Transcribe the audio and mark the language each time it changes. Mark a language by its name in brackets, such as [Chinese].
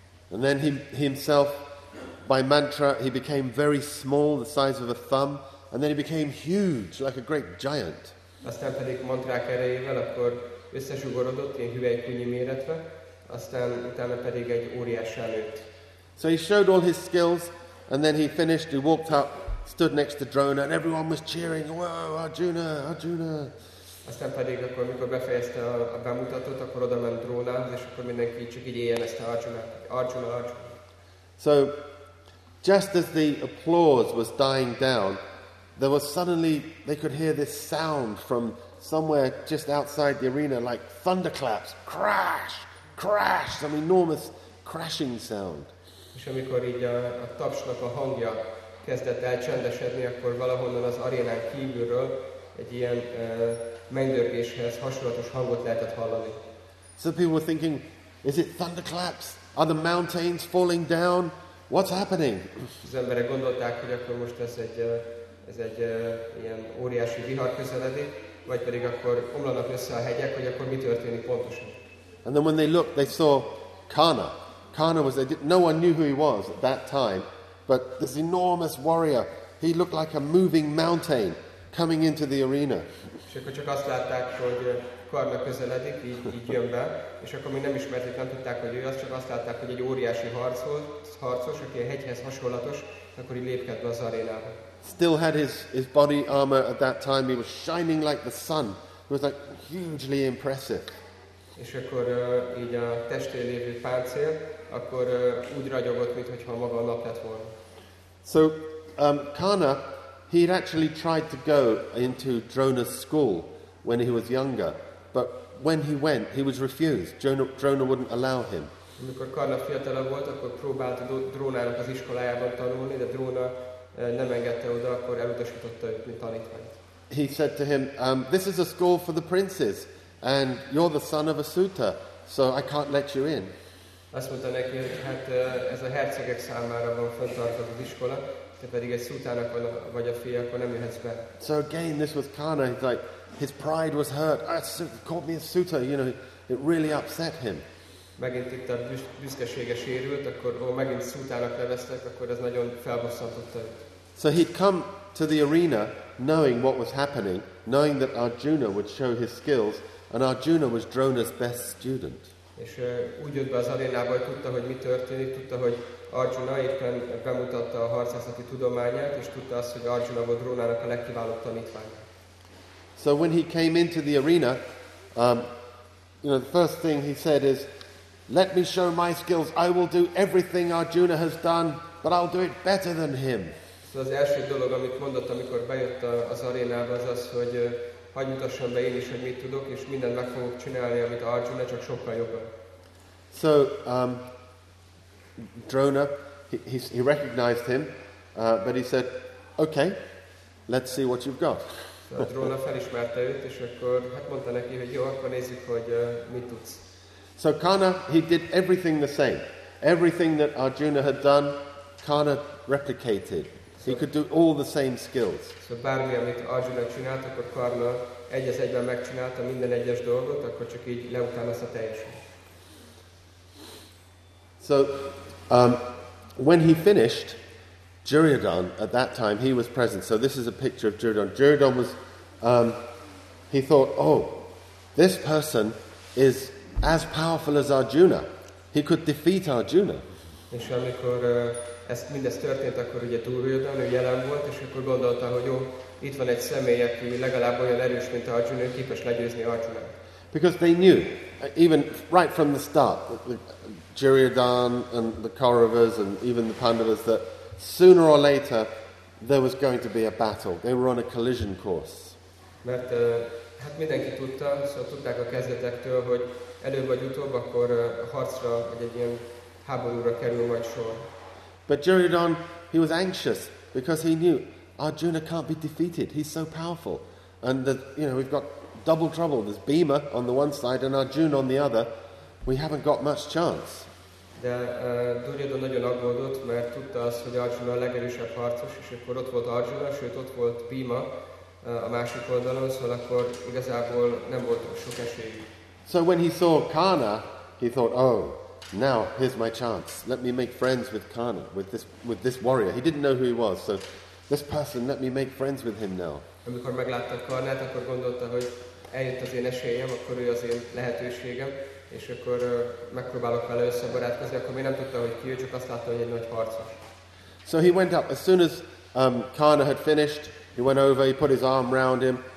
[English] And then he himself, by mantra, he became very small, the size of a thumb, and then he became huge, like a great giant. [Hungarian] Aztán pedig mantrák erejével, akkor összesugorodott ilyen hüvelykújnyi méretre. Aztán utána pedig egy óriássá nőtt. [English] So he showed all his skills, and then he finished, he walked up, stood next to Drona, and everyone was cheering, whoa, Arjuna, Arjuna. [Hungarian] Aztán pedig akkor, amikor befejezte a bemutatót, akkor oda ment Drónához, és akkor mindenki csak így éjjelezte Arjuna, Arjuna, Arjuna. [English] So, just as the applause was dying down, there was suddenly, they could hear this sound from somewhere just outside the arena, like thunderclaps, crash! Crash! Some enormous crashing sound. [Hungarian] És amikor így a tapsnak a hangja kezdett el csendesedni, akkor valahonnan az arénán kívülről egy ilyen mennydörgéshez hasonlatos hangot lehetett hallani. [English] So people were thinking, is it thunderclaps? Are the mountains falling down? What's happening? [Hungarian] Az emberek gondolták, hogy akkor most ez egy ilyen óriási vihar közeledik, vagy pedig akkor omlanak össze a hegyek, hogy akkor mi történik pontosan. [English] And then when they looked, they saw Karna. Karna was, no one knew who he was at that time, but this enormous warrior, he looked like a moving mountain coming into the arena. [Hungarian] És akkor csak azt látták, hogy Karna közeledik, így jön be, és akkor még nem ismerték, nem tudták, hogy ő az, csak azt látták, hogy egy óriási harcos, aki a hegyhez hasonlatos, akkor így lépkedt be az arénába. [English] Still had his body armor at that time, he was shining like the sun. It was like hugely impressive. [Hungarian] És akkor így a testén lévő páncél, akkor úgy ragyogott, mintha maga a nap lett volna. [English] So, Karna, he had actually tried to go into Drona's school when he was younger, but when he went, he was refused. Drona wouldn't allow him. [Hungarian] Amikor Karna fiatalabb volt, akkor próbált Drónának az iskolájában tanulni, de Drona nem engedte oda, akkor elutasította őt, mint tanítványt. [English] He said to him, this is a school for the princes. And you're the son of a suitor, so I can't let you in. [Hungarian] Azt mondta neki, hogy hát ez a hercegek számára van fenntartott az iskola, te pedig egy szútának vagy a fia, akkor nem jöhetsz be. [English] So again, this was Karna. He's like, his pride was hurt. Called me a suitor, you know, it really upset him. [Hungarian] Megint itt a büszkesége sérült, akkor megint szútának neveztek, akkor ez nagyon felbosszantotta őt. [English] So he'd come to the arena knowing what was happening, knowing that Arjuna would show his skills, and Arjuna was Drona's best student. [Hungarian] És úgy jött be az arénába, hogy tudta, hogy mi történik, tudta, hogy Arjuna éppen bemutatta a harcászati tudományát, és tudta azt, hogy Arjuna volt Drónának a legkiválóbb tanítványa. [English] So when he came into the arena, the first thing he said is, let me show my skills, I will do everything Arjuna has done, but I'll do it better than him. [Hungarian] Szóval az első dolog, amit mondott, amikor bejött az arénába, az az, hogy hadd mutassam be én is, hogy mit tudok, és mindent meg fogok csinálni, amit Arjuna, csak sokkal jobban. [English] So, Drona, he recognized him, but he said, okay, let's see what you've got. [Hungarian] So Drona felismerte őt, és akkor hát mondta neki, hogy jó, akkor nézzük, hogy mit tudsz. [English] So Karna, he did everything the same. Everything that Arjuna had done, Karna replicated. He could do all the same skills. [Hungarian] So bármi, amit Arjuna csinált, akkor Karna egyes egyben megcsinálta minden egyes dolgot, akkor csak így leutánozta teljesen. [English] So, when he finished, Duryodhan, at that time, he was present. So this is a picture of Duryodhan. Duryodhan was, he thought, oh, This person is as powerful as Arjuna. He could defeat Arjuna. [Hungarian] És amikor ezt mindez történt, akkor ugye Duryodhana jelen volt, és akkor gondolta, hogy jó, itt van egy személy, aki legalább olyan erős, mint Arjuna, képes legyőzni Arjuna. [English] Because they knew, even right from the start, Duryodhana and the Kauravas and even the Pandavas, that sooner or later there was going to be a battle. They were on a collision course. [Hungarian] Mert hát mindenki tudta, szóval tudták a kezdetektől, hogy előbb vagy utóbb, akkor harcra, vagy egy ilyen háborúra kerül majd sor. [English] But Duryodhana, he was anxious because he knew Arjuna can't be defeated. He's so powerful. And that, you know, we've got double trouble. There's Bhima on the one side and Arjuna on the other. We haven't got much chance. [Hungarian] De Duryodhana nagyon aggódott, mert tudta azt, hogy Arjuna a legerősebb harcos, és akkor ott volt Arjuna, sőt ott volt Bhima a másik oldalon, szóval akkor igazából nem volt sok esély. [English] So when he saw Karna, he thought, oh, now here's my chance. Let me make friends with Karna, with this warrior. He didn't know who he was, so this person, let me make friends with him now. [Hungarian] Amikor meglátta Karnát, akkor gondolta, hogy eljött az én esélyem, akkor ő az én lehetőségem, és akkor megpróbálok vele összebarátkozni, akkor még nem tudta, hogy ki ő, csak azt látta, hogy egy nagy harcos. [English] So he went up, as soon as Karna had finished, he went over, he put his arm round him.